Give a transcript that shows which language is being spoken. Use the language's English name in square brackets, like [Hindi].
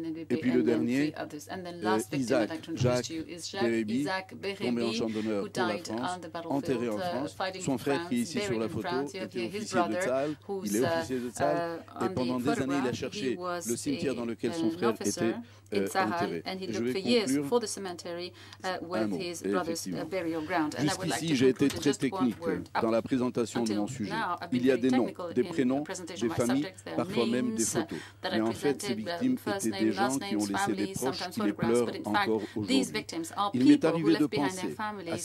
[French] Et puis le dernier, Isaac, Jacques Bérébi, tombé en champ d'honneur pour la France, enterré en France. Son frère qui est ici sur la photo était officier de Tzal, il est officier de Tzal, et pendant des années il a cherché le cimetière dans lequel son frère était. [English] In Sahar, and he looked for years for the cemetery with his brother's burial ground. And [French] jusqu'ici, [English] I would like to [French] j'ai été très technique dans la présentation de mon sujet. Il y a des noms, des prénoms, des familles, parfois même des photos. Mais en fait, ces victimes étaient des gens qui ont laissé des proches qui les pleurent encore aujourd'hui. Il m'est arrivé de penser à